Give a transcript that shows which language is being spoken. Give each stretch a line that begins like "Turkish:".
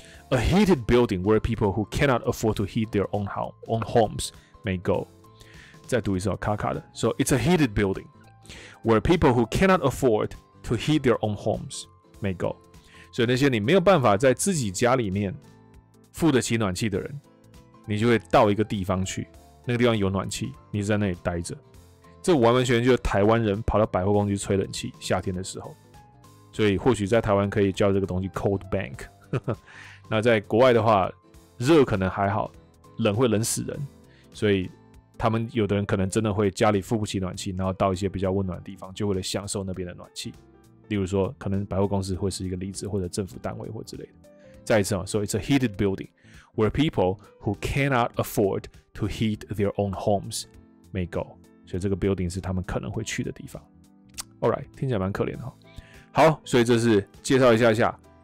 English: A heated building where people who cannot afford to heat their own homes may go.
Chinese: 再读一次哦，卡卡的。
English: So it's a heated building where people who cannot afford to heat their own homes may go.
Chinese: 所以那些你没有办法在自己家里面付得起暖气的人，你就会到一个地方去，那个地方有暖气，你在那里待着。这完完全全就是台湾人跑到百货公司吹冷气，夏天的时候。所以或许在台湾可以叫这个东西 cold bank。那在国外的话，热可能还好，冷会冷死人，所以他们有的人可能真的会家里付不起暖气，然后到一些比较温暖的地方，就为了享受那边的暖气。例如说，可能百货公司会是一个例子，或者政府单位或之类的。再一次啊，所以
English: it's a heated building where people who cannot afford to heat their own homes may go。
Chinese: 所以这个 building 是他们可能会去的地方。
English: All right，
Chinese: 听起来蛮可怜的哈。好，所以这是介绍一下下。